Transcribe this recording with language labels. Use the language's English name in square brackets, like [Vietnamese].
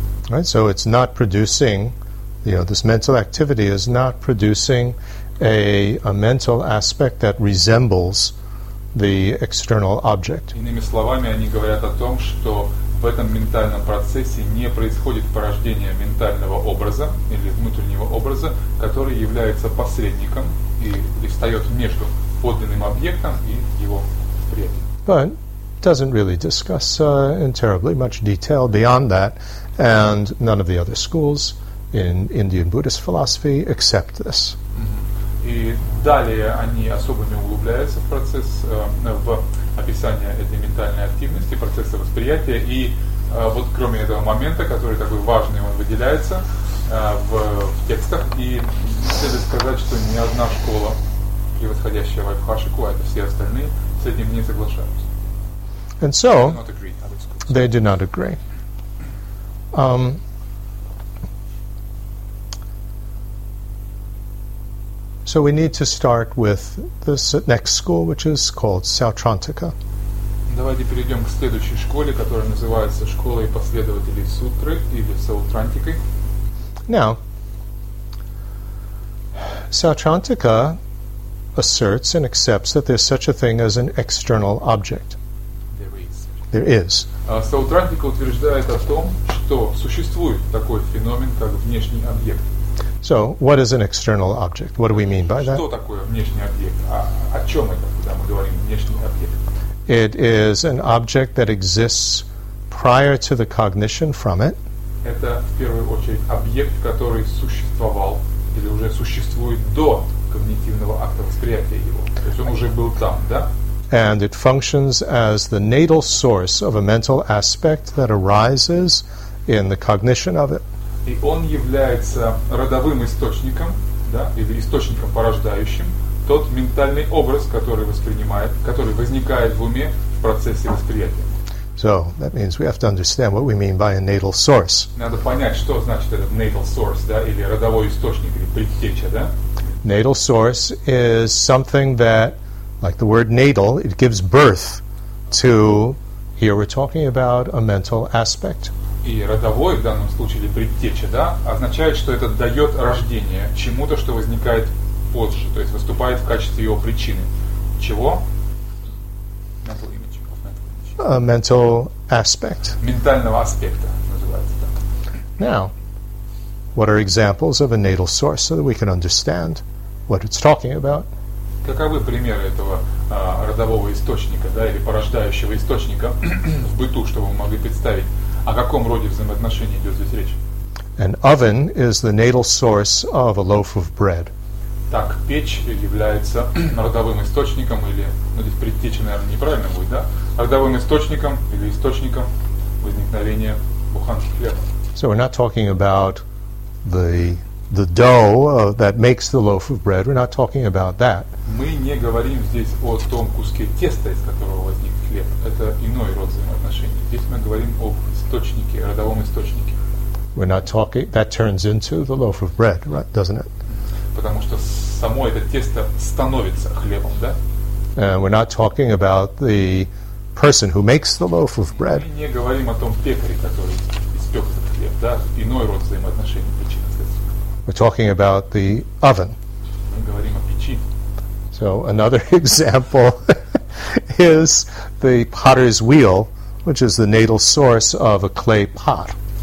[English] Right, so it's not producing, you know, this mental activity is not producing a mental aspect that resembles the external object. [Russian] Иными словами, они говорят о том, что в этом ментальном процессе не происходит порождение ментального образа или внутреннего образа, который является посредником и встает между подлинным объектом и его предметом. [English] But doesn't really discuss in terribly much detail beyond that, and none of the other schools in Indian Buddhist philosophy accept this. [Russian] И далее они особо не углубляются в процесс в описание этой ментальной активности, процесса восприятия, и вот кроме этого момента, который такой важный, он выделяется в текстах, и следует сказать, что ни одна школа, превосходящая Вайбхашику, а это все остальные, с этим не соглашаются. [English] And so, they do not agree. So we need to start with this next school, which is called Sautrantika. [Russian] Давайте перейдем к следующей школе, которая называется школой последователей сутры или Саутрантикой. [English] Now, Sautrantika asserts and accepts that there's such a thing as an external object. There is. [Russian] Саутрантика утверждает о том, что существует такой феномен, как внешний объект. [English] So, what is an external object? What do we mean by that? [Russian] Что такое внешний объект? О чем это, когда мы говорим внешний объект? [English] It is an object that exists prior to the cognition from it. [Russian] Это в первую очередь объект, который существовал или уже существует до когнитивного акта восприятия его. То есть он уже был там, да? [English] And it functions as the natal source of a mental aspect that arises in the cognition of it. [Russian] И он является родовым источником, да, или источником порождающим тот ментальный образ, который воспринимает, который возникает в уме в процессе восприятия. [English] So that means we have to understand what we mean by a natal source. [Russian] Надо понять, что значит этот natal source, да, или родовой источник, или предтеча, да? [English] Natal source is something that, like the word natal, it gives birth to, here we're talking about a mental aspect. [Russian] И родовой, в данном случае, или предтеча, да, означает, что это дает рождение чему-то, что возникает позже, то есть выступает в качестве его причины. Чего? [English] Mental image. A mental aspect. [Russian] Ментального аспекта называется так. [English] Now, what are examples of a natal source so that we can understand what it's talking about? [Russian] Каковы примеры этого родового источника, да, или порождающего источника в быту, чтобы мы могли представить, о каком роде взаимоотношений идет здесь речь? [English] An oven is the natal source of a loaf of bread. [Russian] Так, печь является родовым источником или, ну, здесь предтеча, наверное, неправильно будет, да? Родовым источником или источником возникновения буханки хлеба. [English] So we're not talking about the dough that makes the loaf of bread. We're not talking about that. [Russian] Мы не говорим здесь о том куске теста, из которого возник хлеб. Это иной род взаимоотношений. Здесь мы говорим об источнике, родовом источнике. [English] We're not talking, that turns into the loaf of bread, right? Doesn't it? [Russian] Потому что само это тесто становится хлебом, да? [English] And we're not talking about the person who makes the loaf of bread. [Russian] Мы не говорим о том пекаре, который испек этот хлеб, да? Иной род взаимоотношений, причина, следствие. [English] We're talking about the oven. [Russian] Мы говорим о печи. [English] So another example is the potter's wheel, which is the natal source of a clay pot.